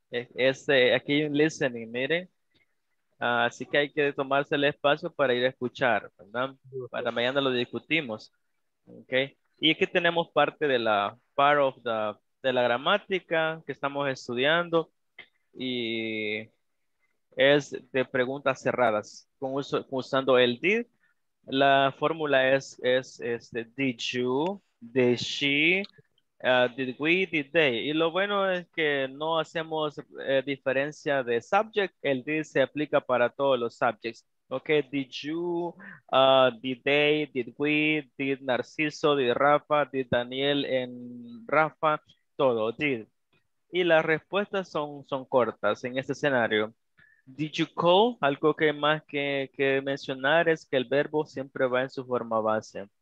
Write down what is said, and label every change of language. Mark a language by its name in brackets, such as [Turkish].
[Spanish] Aquí hay un listening. Mire. Así que hay que tomarse el espacio para ir a escuchar, ¿verdad? Para mañana lo discutimos. Okay. Y aquí tenemos parte de la part of de la gramática que estamos estudiando y es de preguntas cerradas usando el did. La fórmula es de [English] did you, did she, did we, did they. [Spanish] Y lo bueno es que no hacemos diferencia de subject. El did se aplica para todos los subjects. [English] Ok, did you, did they, did we, did Narciso, did Rafa, did Daniel en Rafa. [Spanish] Todo, did. Y las respuestas son cortas en este escenario. [English] Did you call? [Spanish] Algo que más que mencionar es que el verbo siempre va en su forma base.